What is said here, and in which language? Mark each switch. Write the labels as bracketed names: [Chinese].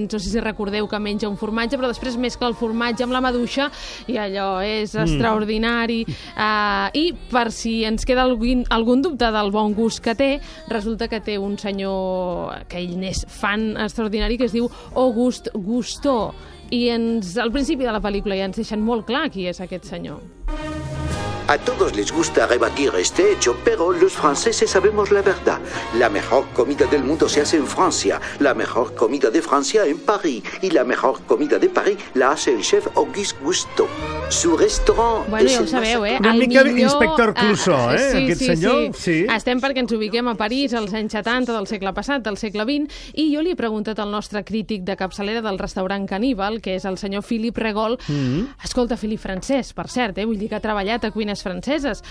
[Catalan] No sé si recordeu que menja un formatge, però després mescla el formatge amb la maduixa i allò és extraordinari. I per si ens queda algun dubte del bon gust que té, resulta que té un senyor que ell n'és fan extraordinari que es diu Auguste Gusteau. I al principi de la pel·lícula ja ens deixen molt clar qui és aquest senyor. [Spanish] A todos les gusta rebatir este hecho, pero los franceses sabemos la verdad. La mejor comida del mundo se hace en Francia, la mejor comida de Francia en París, y la mejor comida de París la hace el chef Auguste Gusteau. [Catalan] Su restaurant... Bueno, ja ho sabeu, Una mica d'inspector Clouseau, aquest senyor. Sí. Estem perquè ens ubiquem a París als anys 70 del segle passat, del segle XX, i jo li he preguntat al nostre crític de capçalera del restaurant Caníbal, que és el senyor Philippe Regol. Escolta, Philippe francès, per cert, vull dir que ha treballat a cuinar franceses.